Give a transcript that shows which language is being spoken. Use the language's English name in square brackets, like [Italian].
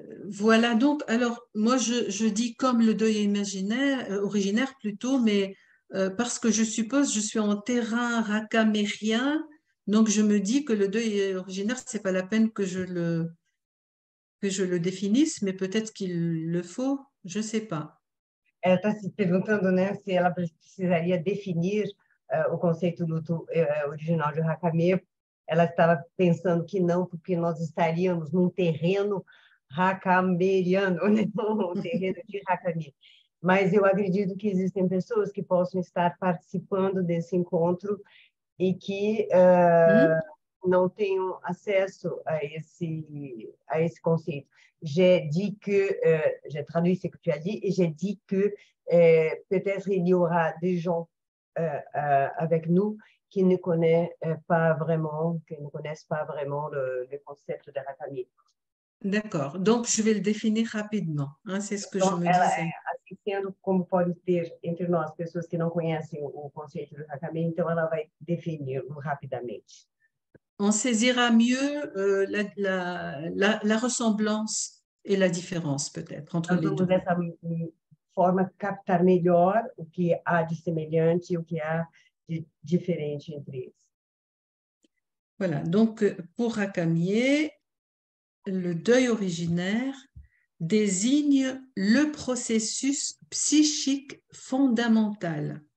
[French] Voilà donc, alors moi je dis comme le deuil imaginaire, originaire plutôt, mais parce que je suppose que je suis en terrain racamérien, donc je me dis que le deuil originaire, ce n'est pas la peine que je le définisse, mais peut-être qu'il le faut. Je ne sais pas. [Portuguese] Ela está se perguntando, né, se ela precisaria definir o conceito luto original de Racamier. Ela estava pensando que não, porque nós estaríamos num terreno racamieriano, né? Um terreno de Racamier. Mas eu acredito que existem pessoas que possam estar participando desse encontro e que não tenham acesso a esse conceito. [French] J'ai dit que, j'ai traduit ce que tu as dit, et j'ai dit que peut-être il y aura des gens avec nous qui ne connaissent pas vraiment, qui ne connaissent pas vraiment le concept de Racamier. D'accord, donc je vais le définir rapidement, hein, c'est ce que donc, je me disais. [Portuguese] Assim sendo, como pode ter entre nós pessoas que não conhecem o conceito de Racamier, então ela vai defini-lo rapidamente. [French] On saisira mieux la ressemblance et la différence peut-être entre les deux. Nous avons une forme de capter mieux ce qu'il y a de semblant et ce qu'il y a de différent entre eux. Voilà, donc pour Racamier, le deuil originaire désigne le processus psychique fondamental.